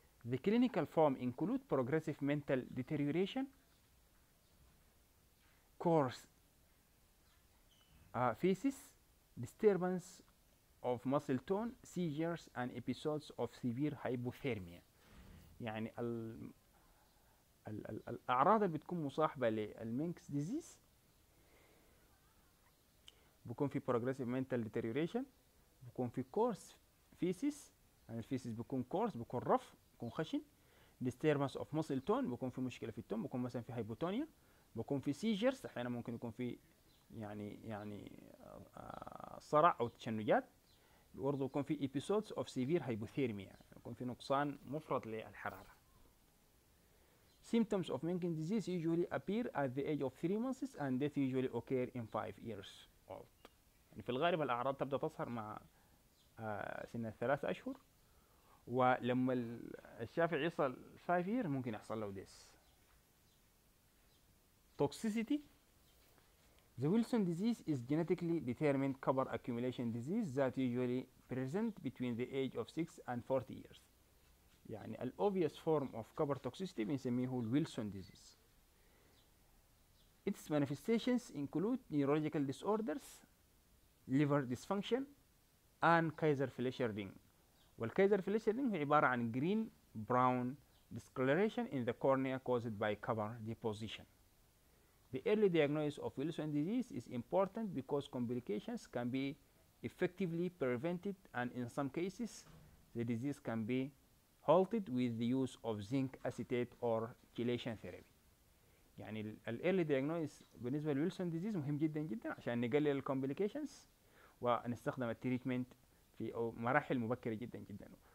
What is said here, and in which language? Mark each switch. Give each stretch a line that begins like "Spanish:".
English: The clinical form include progressive mental deterioration, coarse feces, disturbance of muscle tone, seizures, and episodes of severe hypothermia.
Arabic: يعني ال الأعراض اللي بتكون مصاحبة للمينكس ديزيز بكون في
English: progressive mental deterioration،
Arabic: بكون في
English: coarse feces،
Arabic: يعني الفيسيس بكون coarse، بكون رف، بكون خشن.
English: disturbance of muscle tone
Arabic: بكون في مشكلة في التون، بكون مثلا في هايبوتونيا، بكون في seizures، أحيانا ممكن يكون في يعني صرع أو تشنجات، برضه يكون في
English: episodes of severe hypothermia،
Arabic: يكون في نقصان مفرط للحرارة.
English: symptoms of Menkes disease usually appear at the age of 3 months and death usually occur in 5 years old.
Arabic: يعني في الغالب الأعراض تبدأ تظهر مع سن 3 أشهر، ولما الشافع يصل 5 year ممكن يحصل له ديس.
English: toxicity The Wilson disease is genetically determined copper accumulation disease that usually present between the age of 6 and 40 years.
Arabic: يعني الـ
English: obvious form of copper toxicity
Arabic: بنسميه الـ Wilson disease.
English: Its manifestations include neurological disorders, liver dysfunction, and Kaiser Fletcher ring.
Arabic: والكايزر فليشر ring هي عبارة عن
English: green brown discoloration in the cornea caused by copper deposition. The early diagnosis of Wilson disease is important because complications can be effectively prevented, and in some cases, the disease can be halted with the use of zinc acetate or chelation therapy.
Arabic: يعني ال
English: early diagnosis
Arabic: بالنسبة ل Wilson disease مهم جدا جدا عشان نقلل complications ونستخدم التريتمنت في مراحل مبكرة جدا جدا.